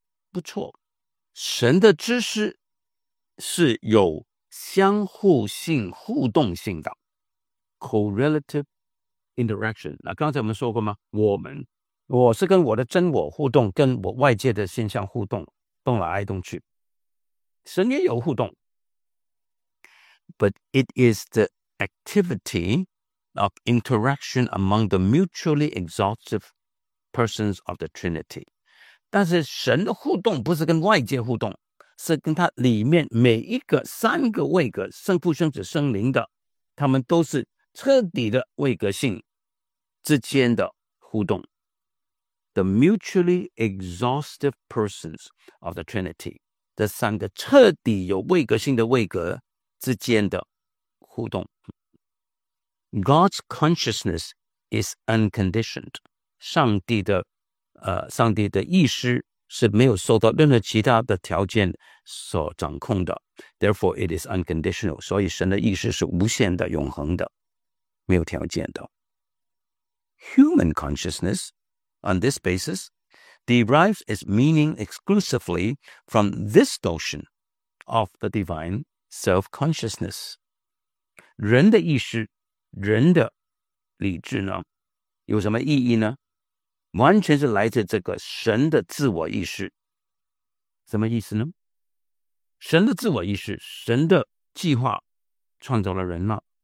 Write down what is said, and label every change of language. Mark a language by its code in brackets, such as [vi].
[zh] 不错，神的知识是有相互性、互动性的 [en] correlative interaction。 [zh] 那刚才我们说过吗？我是跟我的真我互动，跟我外界的现象互动，动来动去，神也有互动。 [en] But it is the activity of interaction among the mutually exhaustive persons of the Trinity. [zh] 但是神的互动不是跟外界互动，是跟他里面每一个三个位格，圣父、圣子、圣灵的，他们都是彻底的位格性之间的互动。 [en] The mutually exhaustive persons of the Trinity. [zh] 这三个彻底有位格性的位格之间的互动。 [en] God's consciousness is unconditioned. [zh] 上帝的意识是没有受到任何其他的条件所掌控的。 [en] Therefore, it is unconditional. [zh] 所以神的意识是无限的、永恒的、没有条件的。 [en] Human consciousness, on this basis, derives its meaning exclusively from this notion of the divine self-consciousness. [zh] 人的意识、人的理智呢，有什么意义呢？完全是来自这个神的自我意识。什么意思呢？神的自我意识，神的计划创造了人了。